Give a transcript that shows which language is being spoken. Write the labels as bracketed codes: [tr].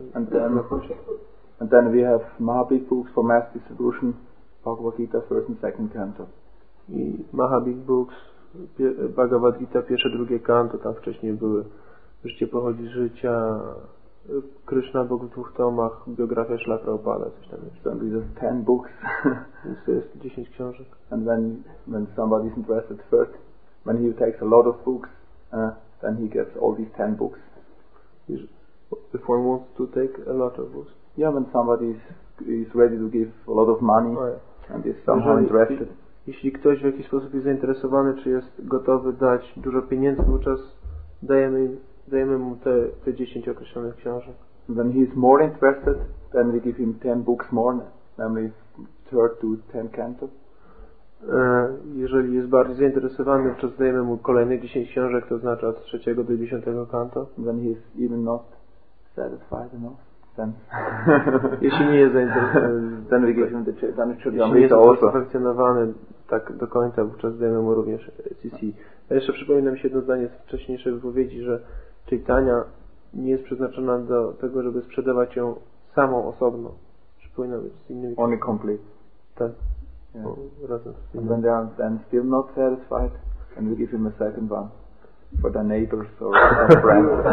[en] And then we have Mahabig books for mass distribution, Bhagavad Gita, first and second canto. [pl] I Mahabig books, Bhagavad Gita, pierwsze, drugie canto, tam wcześniej były Życie pochodzi z życia, Krishna Bóg w dwóch tomach, biografia Srila Prabhupada, coś tam jest. [en] Then these are 10 books. [pl] To jest 10 książek. [en] And then when somebody is interested first, when he takes a lot of books, then he gets all these 10 books. If one wants to take a lot of books. Yeah, when somebody is ready to give a lot of money and is somehow interested. [pl] Jeśli ktoś w jakiś sposób jest zainteresowany, czy jest gotowy dać dużo pieniędzy, wówczas dajemy mu te 10 określonych książek. [en] And when he is more interested, then we give him 10 books more, namely 3 to 10 canto. [pl] Jeżeli jest bardziej zainteresowany, to zdajemy mu kolejne 10 książek, to znaczy od 3 do 10 kanto. [en] Then he is even not satisfied enough. Then. [pl] Jeśli nie jest zainteresowany, [en] then we give him the Chaitanya Charitamrita. [pl] Jeśli nie jest zainteresowany tak do końca, wówczas zdajemy mu również CC. A jeszcze przypomina mi się jedno zdanie z wcześniejszej wypowiedzi, że Chaitanya nie jest przeznaczona do tego, żeby sprzedawać ją samą osobno. Przypomina mi się z innymi. [en] Only complete. [pl] Tak. [en] Yeah. And when they are then still not satisfied, then we give him a second one for their neighbors or their friends.